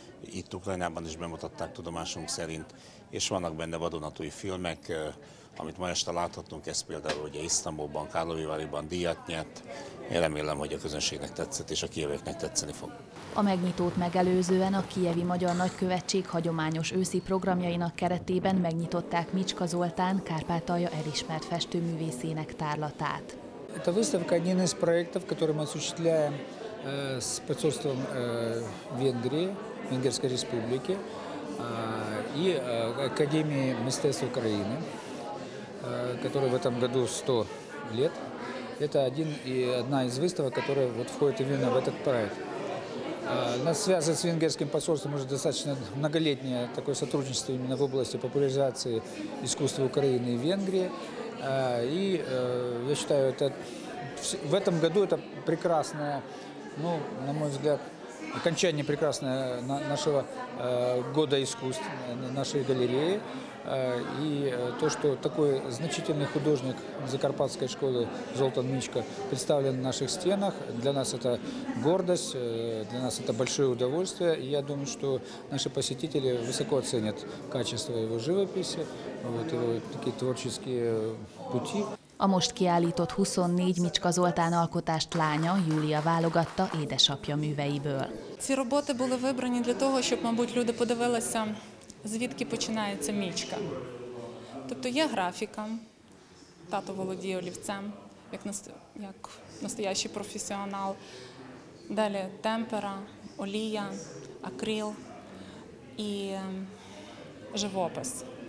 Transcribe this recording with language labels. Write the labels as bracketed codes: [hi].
[hu] Itt Ukrajnában is bemutatták tudomásunk szerint, és vannak benne vadonatúj filmek, amit ma este láthatunk, ez például ugye Isztambulban, Karlovivariban díjat nyert. Én remélem, hogy a közönségnek tetszett, és a kijevőknek tetszeni fog. A megnyitót megelőzően a kijevi Magyar Nagykövetség hagyományos őszi programjainak keretében megnyitották Micska Zoltán, Kárpátalja elismert festőművészének tárlatát. Ez a [ru] выставка один из проектов, который мы осуществляем с посольством Венгрии, Венгерской Республики и Академии мастерств Украины, которой в этом году 100 лет. Это одна из выставок, которая вот входит именно в этот проект. Нас связывает с венгерским посольством уже достаточно многолетнее такое сотрудничество именно в области популяризации искусства Украины и Венгрии. И я считаю, это в этом году это прекрасное, ну, на мой взгляд, окончание прекрасное нашего года искусств, нашей галереи. И то, что такой значительный художник Закарпатской школы Золтан Мичка представлен в наших стенах, для нас это гордость, для нас это большое удовольствие. И я думаю, что наши посетители высоко оценят качество его живописи, вот его такие творческие пути. [hu] A most kiállított 24 Micska Zoltán alkotást lánya, Júlia válogatta édesapja műveiből. [uk] Ці роботи були вибрані для того, щоб, мабуть, люди подивилися, звідки починається Мічка. Тобто є графіка, тато володіє олівцем, як настоящий професіонал. Далі темпера, олія, акрил і живопис.